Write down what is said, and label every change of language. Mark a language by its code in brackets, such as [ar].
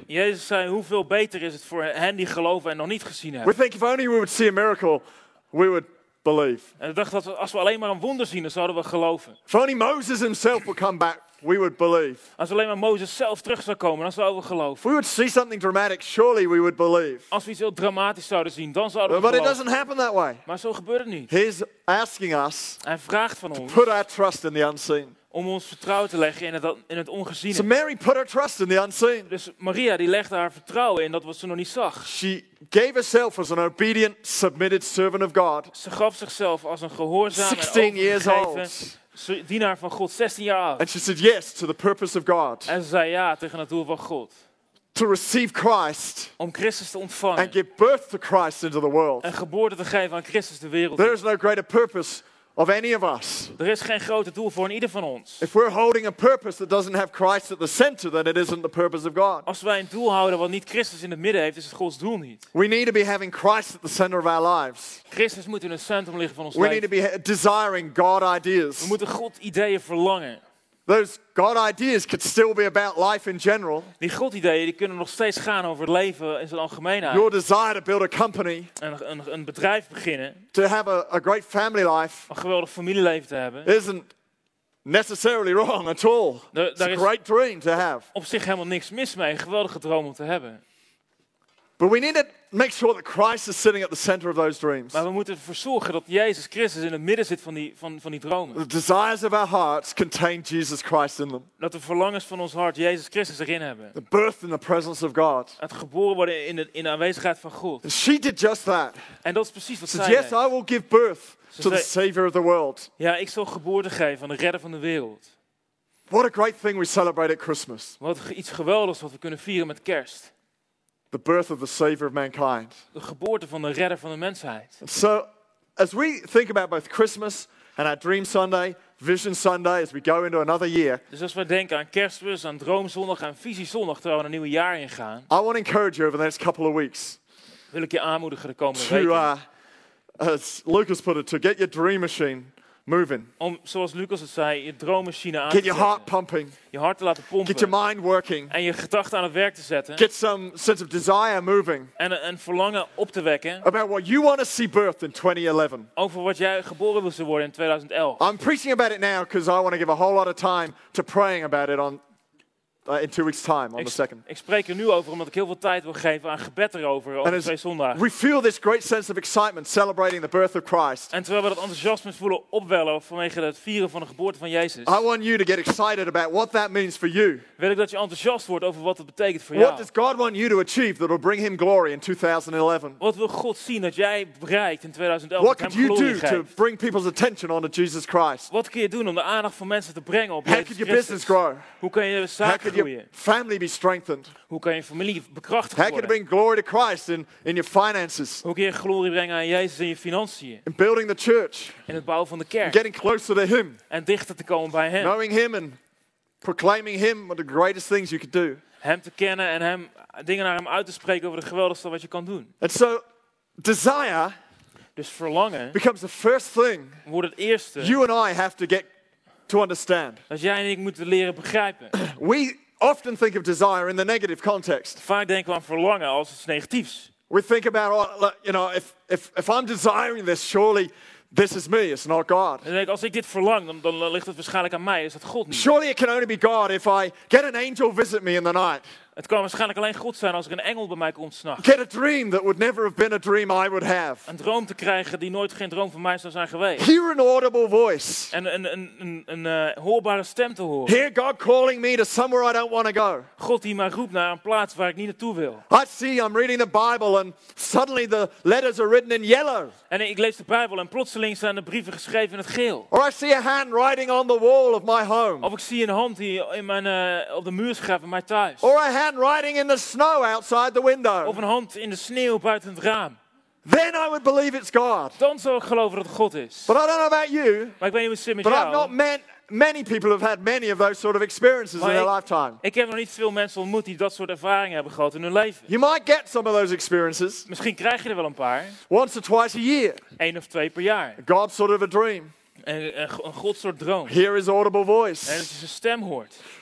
[nl] Jezus zei, hoeveel beter is het voor hen die geloven en nog niet gezien hebben? [en] We think if only we would see a miracle, we would believe. [nl] En ik dacht dat als we alleen maar een wonder zien, dan zouden we geloven. [en] If only Moses himself would come back, we would believe. [nl] Als alleen maar Mozes zelf terug zou komen, dan zouden we geloven. [en] If we would see something dramatic, surely we would believe. [nl] Als we iets heel dramatisch zouden zien, dan zouden we geloven. [en] But it doesn't happen that way. [nl] Maar zo gebeurt het niet. [en] He's asking us. [nl] Hij vraagt van ons. [en] To put our trust in the unseen. [nl] Om ons vertrouwen te leggen in het ongeziene. [en] So Mary put her trust in the unseen. [nl] Dus Maria die legde haar vertrouwen in dat wat ze nog niet zag. [en] She gave herself as an obedient, submitted servant of God. [nl] Ze gaf zichzelf als een gehoorzame, overgegeven dienaar van God, 16 jaar oud. [en] And she said yes to the purpose of God. [nl] En ze zei ja tegen het doel van God. [en] To receive Christ. [nl] Om Christus te ontvangen. [en] And give birth to Christ into the world. [nl] En geboorte te geven aan Christus de wereld. [en] There is no greater purpose. Of any of us. [nl] Er is geen groter doel voor in ieder van ons. [en] If we're holding a purpose that doesn't have Christ at the center, then it isn't the purpose of God. [nl] Als wij een doel houden wat niet Christus in het midden heeft, is het Gods doel niet. [en] We need to be having Christ at the center of our lives. [nl] Christus moet in het centrum liggen van ons [en] leven. We need to be desiring God ideas. [nl] We moeten God ideeën verlangen. [en] Those God ideas could still be about life in general. [nl] Die God ideeën die kunnen nog steeds gaan over het leven in zijn algemeenheid. [en] Your desire to build a company. [nl] Een bedrijf beginnen. [en] To have a great family life. [nl] Een geweldig familieleven te hebben. [en] Isn't necessarily wrong at all. It's a great dream to have. [nl] Op zich helemaal niks mis mee, een geweldige droom om te hebben. [en] But we need to make sure that Christ is sitting at the center of those dreams. [nl] Maar we moeten ervoor zorgen dat Jezus Christus in het midden zit van die dromen. [en] The desires of our hearts contain Jesus Christ in them. [nl] Dat de verlangens van ons hart Jezus Christus erin hebben. [en] The birth in the presence of God. [nl] Het geboren worden in de aanwezigheid van God. [en] And she did just that. [nl] En dat is precies wat [en] she [nl] zij [en] said, [nl] deed. [en] Yes, I will give birth to the Savior of the world. [nl] Ja, ik zal geboorte geven aan de redder van de wereld. [en] What a great thing we celebrate at Christmas. [nl] Wat iets geweldigs wat we kunnen vieren met Kerst. [en] The birth of the Savior of mankind. [nl] De geboorte van de redder van de mensheid. [en] So, as we think about both Christmas and our Dream Sunday, Vision Sunday, as we go into another year. [nl] Dus als we denken aan Kerstmis, aan Droomzondag en Visiezondag, terwijl we een nieuwe jaar ingaan. [en] I want to encourage you over the next couple of weeks. [nl] Wil ik je aanmoedigen de komende weken. [en] As Lucas put it, to get your dream machine moving. [nl] Om, zoals Lucas het zei, je droommachine aan [en] get [nl] te zetten. [en] Get your heart pumping. [nl] Je hart te laten pompen. [en] Get your mind working. [nl] En je gedachten aan het werk te zetten. [en] Get some sense of desire moving. [nl] En een verlangen op te wekken. [en] About what you want to see birthed in 2011. [nl] Over wat jij geboren wilt worden in 2011. [en] I'm preaching about it now because I want to give a whole lot of time to praying about it in 2 weeks time on the second. [nl] Ik spreek er nu over omdat ik heel veel tijd wil geven aan gebed erover op 2 zondagen. [en] We feel this great sense of excitement celebrating the birth of Christ. [nl] En terwijl we dat enthousiasme voelen opwellen vanwege het vieren van de geboorte van Jezus. [en] I want you to get excited about what that means for you. [nl] Wil ik dat je enthousiast wordt over wat het betekent voor jou. [en] What does God want you to achieve that will bring him glory in 2011? [nl] Wat wil God zien dat jij bereikt in 2011? [en] What could you do to bring people's attention onto Jesus Christ? [nl] Wat kun je doen om de aandacht van mensen te brengen op Jezus? [en] How could your business grow? [nl] Hoe kan je zaak [en] How can your family be strengthened? [nl] Hoe kan je familie bekrachtigd [en] worden? How can you bring glory to Christ in your finances? [nl] Hoe kun je glorie brengen aan Jezus in je financiën? [en] In building the church. [nl] In het bouwen van de kerk. [en] And getting closer to him. [nl] En dichter te komen bij hem. [en] Knowing him and proclaiming him are the greatest things you could do. [nl] Hem te kennen en hem dingen naar hem uit te spreken over de geweldigste wat je kan doen. [en] And so desire [nl] dus verlangen [en] becomes the first thing [nl] wordt het eerste. [en] You and I have to get to understand. [nl] Dat jij en ik moeten leren begrijpen. [en] We often think of desire in the negative context. [nl] Vaak denken we aan verlangen als iets negatiefs. [en] We think about, you know, if I'm desiring this, surely this is me, it's not God. [nl] En als ik dit verlang, dan ligt het waarschijnlijk aan mij, is dat God niet. [en] Surely it can only be God if I get an angel visit me in the night. [nl] Het kan waarschijnlijk alleen God zijn als er een engel bij mij komt 's nachts. [en] Get a dream that would never have been a dream I would have. [nl] Een droom te krijgen die nooit geen droom van mij zou zijn geweest. [en] Hear an audible voice. [nl] En een hoorbare stem te horen. [en] Hear God calling me to somewhere I don't want to go. [nl] God die mij roept naar een plaats waar ik niet naartoe wil. [en] I see I'm reading the Bible and suddenly the letters are written in yellow. [nl] En ik lees de Bijbel en plotseling zijn de brieven geschreven in het geel. [en] Or I see a hand writing on the wall of my home. [nl] Of ik zie een hand die in mijn op de muur schrijft van mijn thuis. [en] Or I writing in the snow outside the window. [nl] Of een hand in de sneeuw buiten het raam. [en] Then I would believe it's God. [nl] Dan zou ik geloven dat het God is. [en] But I don't know about you. [nl] Maar ik weet niet hoe het zit met [en] but [nl] jou. [en] I've not met many people have had many of those sort of experiences [nl] maar [en] in their lifetime. [nl] Ik heb nog niet veel mensen ontmoet die dat soort ervaringen hebben gehad in hun leven. [en] You might get some of those experiences. [nl] Misschien krijg je er wel een paar. [en] Once or twice a year. [nl] Eén of twee per jaar. [en] God sort of a dream. [nl] Een God soort droom. [en] Here is audible voice. [nl] En dat je zijn stem hoort.